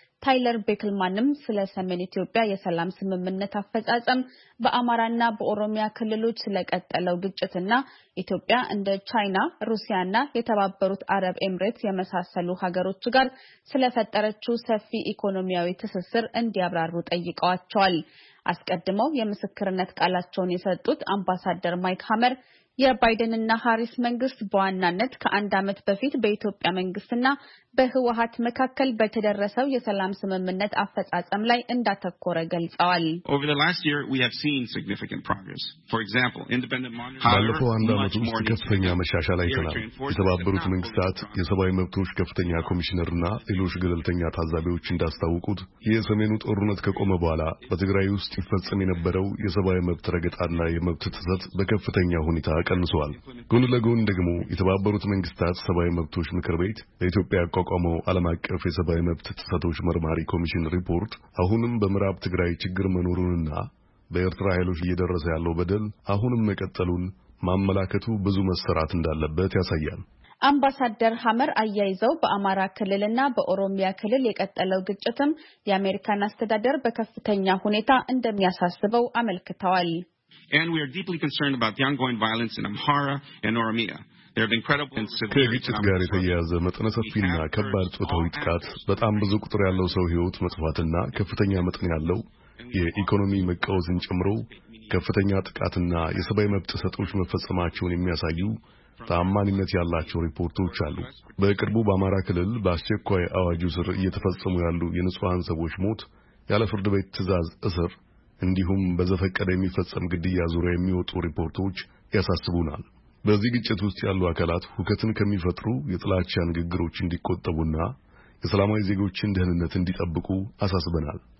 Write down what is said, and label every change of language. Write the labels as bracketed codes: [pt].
[am] ታይለር ቤክልማንም ስለ ሰሜን ኢትዮጵያ የሰላም ስምምነት አፈጻጸም፣ በአማራና በኦሮሚያ ክልሎች ስለቀጠለው ግጭትና ኢትዮጵያ እንደ ቻይና፣ ሩሲያና የተባበሩት አረብ ኤምሬትስ የመሳሰሉ ሀገሮች ጋር ስለፈጠረችው ሰፊ ኢኮኖሚያዊ ትስስር እንዲያብራሩ ጠይቀዋቸዋል። አስቀድመው የምስክርነት ቃላቸውን የሰጡት አምባሳደር ማይክ ሃመር የባይደንና ሃሪስ መንግስት በዋናነት ከአንድ ዓመት በፊት በኢትዮጵያ መንግስትና በህወሓት መካከል በተደረሰው የሰላም ስምምነት አፈጻጸም ላይ እንዳተኮረ ገልጸዋል። [en] Over the last year we have seen significant progress. For example, independent monitoring [am] ባለፈው አንድ ዓመት ውስጥ ከፍተኛ መሻሻል አይተናል። የተባበሩት መንግስታት የሰብአዊ መብቶች ከፍተኛ ኮሚሽነርና ሌሎች ገለልተኛ ታዛቢዎች እንዳስተዋውቁት የሰሜኑ ጦርነት ከቆመ በኋላ በትግራይ ውስጥ ይፈጸም የነበረው የሰብአዊ መብት ረገጣና የመብት ጥሰት በከፍተኛ ሁኔታ ቀንሷል። ጎን ለጎን ደግሞ የተባበሩት መንግስታት ሰብአዊ መብቶች ምክር ቤት ለኢትዮጵያ ቆቆመው ዓለም አቀፍ የሰብአዊ መብት ጥሰቶች መርማሪ ኮሚሽን ሪፖርት አሁንም በምዕራብ ትግራይ ችግር መኖሩንና በኤርትራ ኃይሎች እየደረሰ ያለው በደል አሁንም መቀጠሉን ማመላከቱ ብዙ መሰራት እንዳለበት ያሳያል። አምባሳደር ሃመር አያይዘው በአማራ ክልልና በኦሮሚያ ክልል የቀጠለው ግጭትም የአሜሪካን አስተዳደር በከፍተኛ ሁኔታ እንደሚያሳስበው አመልክተዋል። [en] And we are deeply concerned about the ongoing violence in Amhara and Oromia. There have been credible and severe [am] ከግጭት ጋር የተያያዘ መጠነ ሰፊና ከባድ ጾታዊ ጥቃት፣ በጣም ብዙ ቁጥር ያለው ሰው ሕይወት መጥፋትና ከፍተኛ መጠን ያለው የኢኮኖሚ መቃወስን ጨምሮ ከፍተኛ ጥቃትና የሰብአዊ መብት ጥሰቶች መፈጸማቸውን የሚያሳዩ ታማኝነት ያላቸው ሪፖርቶች አሉ። በቅርቡ በአማራ ክልል በአስቸኳይ አዋጅ ስር እየተፈጸሙ ያሉ የንጹሃን ሰዎች ሞት፣ ያለ ፍርድ ቤት ትዕዛዝ እስር እንዲሁም በዘፈቀደ የሚፈጸም ግድያ ዙሪያ የሚወጡ ሪፖርቶች ያሳስቡናል። በዚህ ግጭት ውስጥ ያሉ አካላት ሁከትን ከሚፈጥሩ የጥላቻ ንግግሮች እንዲቆጠቡና የሰላማዊ ዜጎችን ደህንነት እንዲጠብቁ አሳስበናል።